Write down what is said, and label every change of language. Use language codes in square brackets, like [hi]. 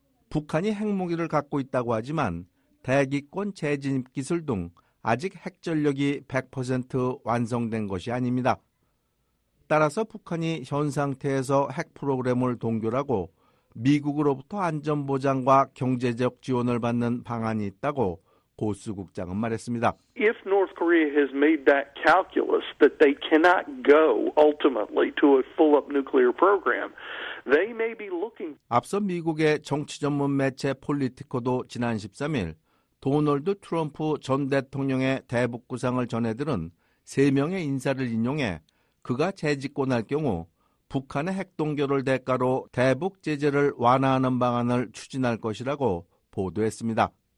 [ko] 북한이 핵무기를 갖고 있다고 하지만 대기권 재진입 기술 등 아직 핵전력이 100% 완성된 것이 아닙니다. 따라서 북한이 현 상태에서 핵 프로그램을 동결하고 미국으로부터 안전보장과 경제적 지원을 받는 방안이 있다고 고스 국장은 말했습니다. [en] If North Korea has made that calculus that they cannot go ultimately to a full-up nuclear program, they may be looking. [ko] 앞서 미국의 정치 전문 매체 폴리티코도 지난 13일 도널드 트럼프 전 대통령의 대북 구상을 전해들은 세 명의 인사를 인용해 그가 재집권할 경우 북한의 핵동결을 대가로 대북 제재를 완화하는 방안을 추진할 것이라고 보도했습니다.